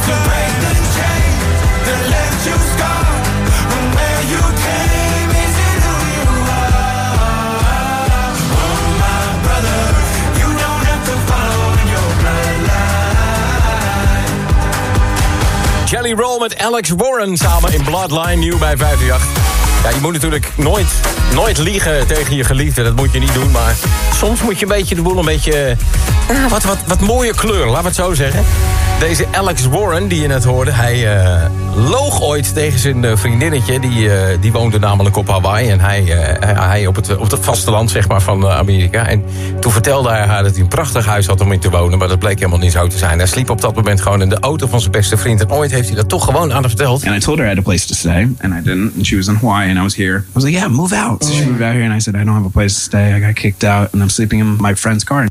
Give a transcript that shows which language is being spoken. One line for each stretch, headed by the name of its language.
English: to break the chains that left you scarred from where you came. Is it who you are? Oh, my brother, you don't have to follow in your bloodline.
Dutch: Jelly Roll met Alex Warren samen in Bloodline, nieuw bij 538. Ja, je moet natuurlijk nooit, nooit liegen tegen je geliefde. Dat moet je niet doen, maar soms moet je een beetje de boel een beetje... Wat mooie kleur, laten we het zo zeggen. Deze Alex Warren, die je net hoorde, hij loog ooit tegen zijn vriendinnetje. Die woonde namelijk op Hawaii en hij op het vasteland, zeg maar, van Amerika. En toen vertelde hij haar dat hij een prachtig huis had om in te wonen, maar dat bleek helemaal niet zo te zijn. Hij sliep op dat moment gewoon in de auto van zijn beste vriend. En ooit heeft hij dat toch gewoon aan haar verteld.
English: And I told her I had a place to stay, and I didn't. And she was in Hawaii, and I was here. I was like, yeah, move out. So she moved out here, and I said, I don't have a place to stay. I got kicked out, and I'm sleeping in my friend's car.